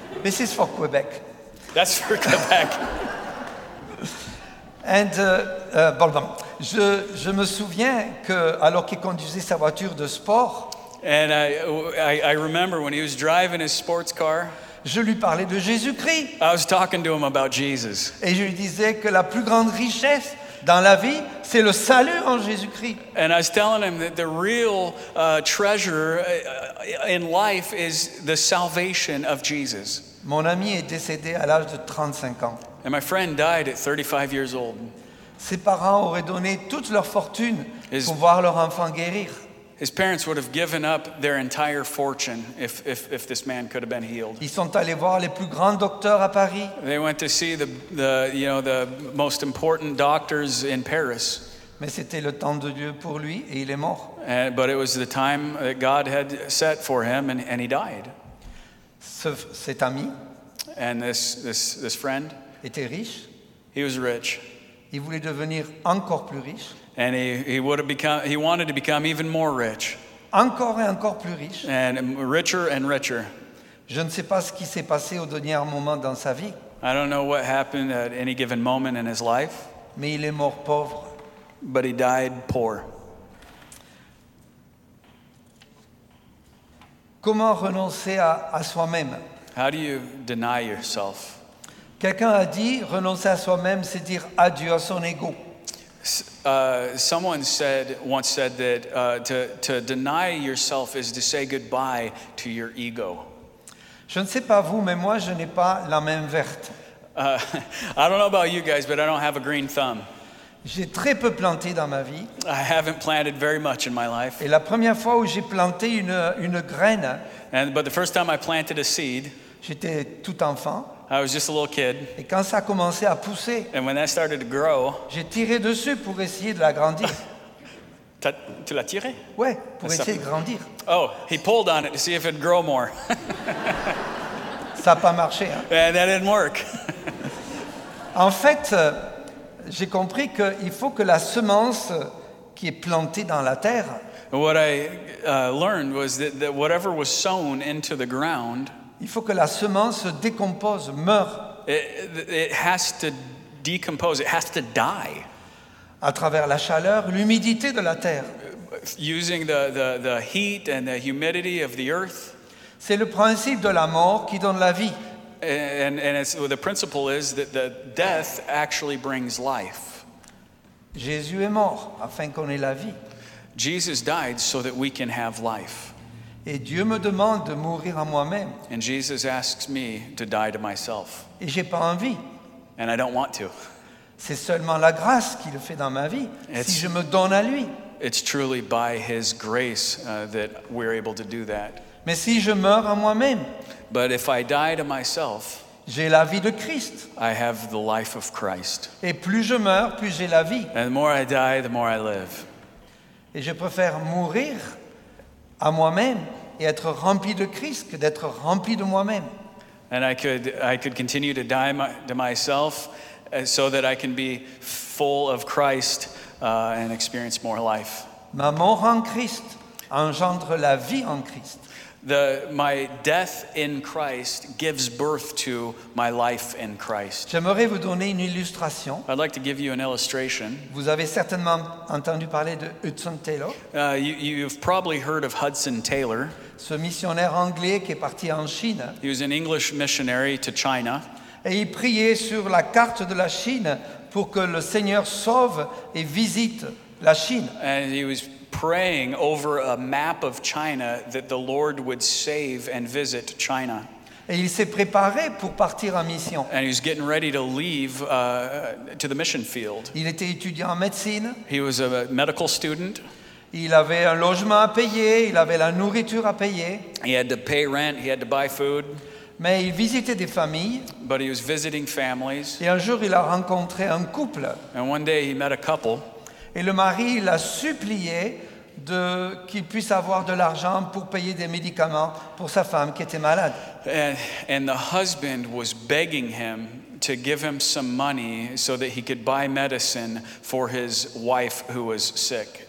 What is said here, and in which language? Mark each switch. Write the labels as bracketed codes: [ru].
[en] This is for Quebec. That's for Quebec. [fr] And, pardon, je me souviens que, alors qu'il conduisait sa voiture de sport, [en] and I remember when he was driving his sports car, [fr] je lui parlais de Jésus-Christ. [en] I was talking to him about Jesus. [fr] Et je lui disais que la plus grande richesse dans la vie, c'est le salut en Jésus-Christ. [en] And I was telling him that the real treasure in life is the salvation of Jesus. [fr] Mon ami est décédé à l'âge de 35 ans. [en] And my friend died at 35 years old. [fr] Ses parents auraient donné toute leur fortune pour voir leur enfant guérir. [en] His parents would have given up their entire fortune if this man could have been healed. [fr] Ils sont allés voir les plus grands docteurs à Paris. [en] They went to see the most important doctors in Paris. [fr] Mais c'était le temps de Dieu pour lui et il est mort. [en] But it was the time that God had set for him and he died. [fr] Cet ami [en] and this friend [fr] était riche. [en] He was rich. [fr] Il voulait devenir encore plus riche. [en] And he wanted to become even more rich. [fr] Encore et encore plus riche. [en] And richer and richer. [fr] Je ne sais pas ce qui s'est passé au dernier moment dans sa vie. [en] I don't know what happened at any given moment in his life. [fr] Mais il est mort pauvre. [en] But he died poor. [fr] Comment renoncer à soi-même? [en] How do you deny yourself? [fr] Quelqu'un a dit, renoncer à soi-même, c'est dire adieu à son ego. [en] Someone said once said that to deny yourself is to say goodbye to your ego. [fr] Je ne sais pas vous, mais moi je n'ai pas la main verte. [en] I don't know about you guys, but I don't have a green thumb. [fr] J'ai très peu planté dans ma vie. [en] I haven't planted very much in my life. [fr] Et la première fois où j'ai planté une graine. [en] But the first time I planted a seed. [fr] J'étais tout enfant. [en] I was just a little kid. [fr] Et quand ça a commencé à pousser, [en] and when that started to grow, [fr] j'ai tiré dessus pour essayer de l'agrandir. Tu l'as tiré? Ouais, pour essayer de grandir. [en] Oh, he pulled on it to see if it'd grow more. [fr] Ça a pas marché, hein. [en] And that didn't work. [fr] En fait, j'ai compris qu'il faut que la semence qui est plantée dans la terre, [en] what I learned was that whatever was sown into the ground, [fr] il faut que la semence se décompose, meure. [en] It has to decompose, it has to die. [fr] À travers la chaleur, l'humidité de la terre. [en] Using the heat and the humidity of the earth. [fr] C'est le principe de la mort qui donne la vie. [en] And it's, well, the principle is that the death actually brings life. [fr] Jésus est mort afin qu'on ait la vie. [en] Jesus died so that we can have life. [fr] Et Dieu me demande de mourir à moi-même. [en] And Jesus asks me to die to myself. [fr] Et j'ai pas envie. [en] And I don't want to. [fr] C'est seulement la grâce qui le fait dans ma vie, si je me donne à lui. [en] It's truly by his grace that we're able to do that. [fr] Mais si je meurs à moi-même, [en] but if I die to myself, [fr] j'ai la vie de Christ. [en] I have the life of Christ. [fr] Et plus je meurs, plus j'ai la vie. [en] And the more I die, the more I live. [fr] Et je préfère mourir à moi-même et être rempli de Christ que d'être rempli de moi-même. [en] And I could continue to die to myself so that I can be full of Christ and experience more life. [fr] Ma mort en Christ engendre la vie en Christ. [en] My death in Christ gives birth to my life in Christ. [fr] J'aimerais vous donner une illustration. [en] I'd like to give you an illustration. [fr] Vous avez certainement entendu parler de Hudson Taylor. [en] You've probably heard of Hudson Taylor. [fr] Ce missionnaire anglais qui est parti en Chine. [en] He was an English missionary to China. [fr] Et il priait sur la carte de la Chine. pour que le Seigneur sauve et visite la Chine. [en] And he was praying over a map of China that the Lord would save and visit China. [fr] Et il s'est préparé pour partir en mission. [en] And he was getting ready to leave to the mission field. [fr] Il était étudiant en médecine. [en] He was a medical student. [fr] Il avait un logement à payer, il avait la nourriture à payer. [en] He had to pay rent, he had to buy food. [fr] Mais il visitait des familles. [en] But he was visiting families. [fr] Et un jour, il a rencontré un couple. [en] And one day he met a couple. [fr] Et le mari l'a supplié de qu'il puisse avoir de l'argent pour payer des médicaments pour sa femme qui était malade. [en] And the husband was begging him to give him some money so that he could buy medicine for his wife who was sick.